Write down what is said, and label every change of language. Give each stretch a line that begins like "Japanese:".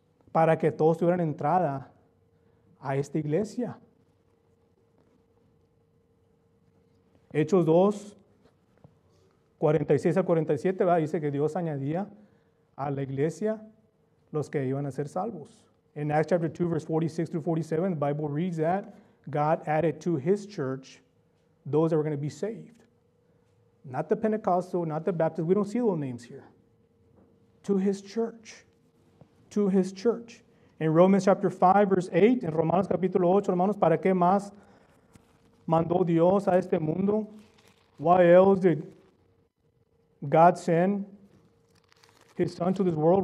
Spanish: Para que todos tuvieran entrada a esta iglesia. Hechos 2, 46 al 47, ¿verdad? Dice que Dios añadía a la iglesia los que iban a ser salvos.
English: In Acts chapter 2, verse 46 through 47, the Bible reads that God added to his church those that were going to be saved. Not the Pentecostal, not the Baptist. We don't see those names here. To his church. To his church. In Romans chapter 5, verse 8,
Spanish: in Romanos capítulo 8, hermanos, ¿para qué más mandó Dios a este mundo?
English: Why else did God send his son to this world?